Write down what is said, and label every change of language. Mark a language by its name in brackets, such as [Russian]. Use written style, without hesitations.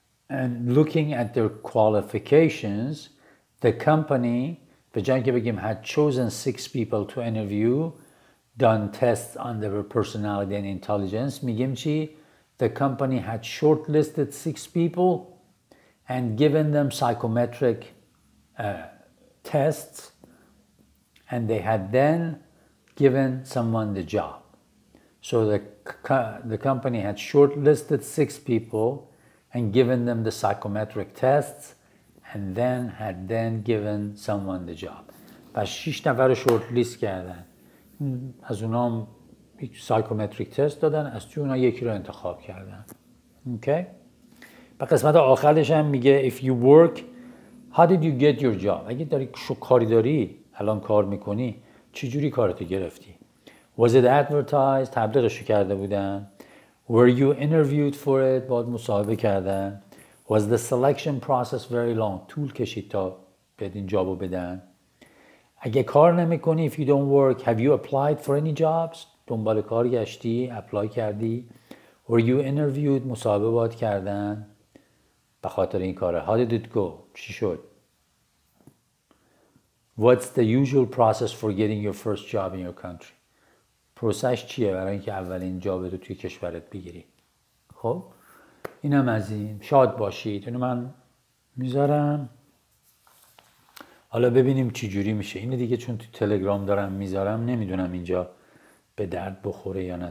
[English] and looking at their qualifications the company [Persian] به جای اینکه بگیم [English] had chosen 6 people to interview done tests on their personality and intelligence [Persian] میگیم چی [English] the company had shortlisted 6 people and given them psychometric tests and they had then given someone the job. So the company had shortlisted 6 people and given them the psychometric tests and then had then given someone the job. [Persian] پس 6 نفر رو shortlist کردن. از اونا هم psychometric test دادن. از توی اونا یکی رو انتخاب کردن. [English] Okay. [Persian] به قسمت آخرش هم میگه [English] If you work, how did you get your job? [Persian] اگه داری کاری داری الان کار میکنی چجوری کارتو گرفتی? [English] Was it advertised? [Persian] تبلیغشو کرده بودن. [English] Were you interviewed for it? [Persian] باید مصاحبه کردن. [English] Was the selection process very long? [Persian] طول کشید تا بدین جابو بدن. اگه کار نمیکنی [English] If you don't work, have you applied for any jobs? [Persian] دنبال کار گشتی اپلای کردی. [English] Were you interviewed? [Persian] مصاحبه باید کردن به خاطر این کاره. [English] How did it go? [Persian] چی شد? [English] What's the usual process for getting your first job in your country? [Persian] پروسش چیه برای اینکه اولین جاب رو توی کشورت بگیری؟ خب اینم از این. شاد باشید. اینو من میذارم. حالا ببینیم چی جوری میشه. اینه دیگه چون تو تلگرام دارم میذارم نمیدونم اینجا به درد بخوره یا نه.